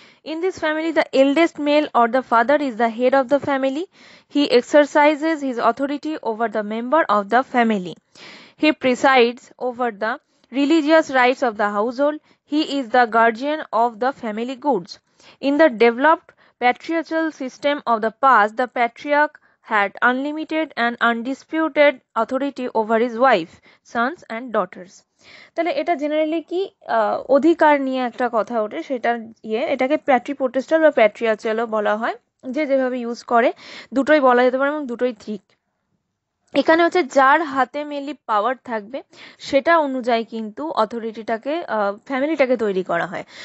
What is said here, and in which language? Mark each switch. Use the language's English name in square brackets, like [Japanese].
[English] In this family the eldest male or the father is the head of the family, he exercises his authority over the member of the family, he presides over the religious rites of the household, he is the guardian of the family goods. In the developed patriarchal system of the past, the patriarch had unlimited and undisputed authority over his wife, sons and daughters. [Bangla] তাহলে এটা generally কি অধিকার নিয়ে একটা কথা ওঠে, সেটা ইয়ে এটাকে প্যাট্রি প্রোটেস্টাল বা প্যাট্রিয়াচালও বলা হয়, যে যেভাবে ইউজ করে, দুটোই বলা যেতে পারে এবং দুটোই ঠিক। এখানে হচ্ছে যার হাতে মেনলি পাওয়ার থাকবে সেটা অনুযায়ী কিন্তু অথরিটিটাকে, ফ্যামিলিটাকে তৈরি করা হয়।